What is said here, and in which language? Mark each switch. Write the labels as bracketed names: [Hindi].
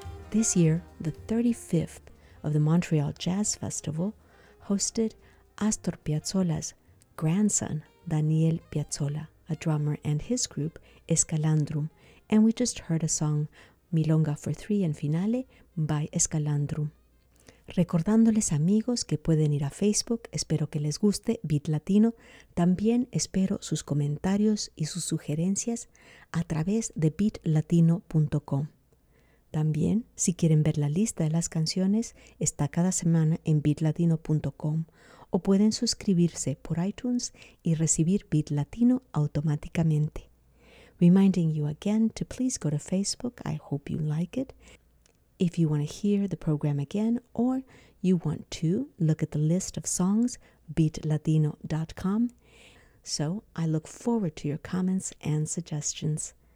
[English] This year, the 35th of the Montreal Jazz Festival hosted Astor Piazzolla's grandson, Daniel Piazzolla, a drummer, and his group, Escalandrum, and we just heard a song, Milonga for Three and Finale, by Escalandrum. [Spanish] Recordándoles, amigos, que pueden ir a Facebook, espero que les guste Beat Latino. También espero sus comentarios y sus sugerencias a través de beatlatino.com. También, si quieren ver la lista de las canciones, está cada semana en beatlatino.com o pueden suscribirse por iTunes y recibir Beat Latino automáticamente. [English] Reminding you again to please go to Facebook, I hope you like it. If you want to hear the program again or you want to look at the list of songs, beatlatino.com. So I look forward to your comments and suggestions.